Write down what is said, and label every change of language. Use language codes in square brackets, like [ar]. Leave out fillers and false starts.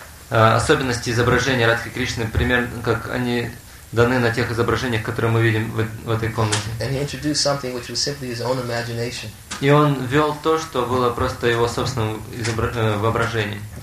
[ru] особенности изображения Радхи Кришны, пример, как они даны на тех изображениях, которые мы видим в этой комнате. [en] And he introduced something which was simply his own imagination. [ru] И он ввел то, что было просто его собственным воображением.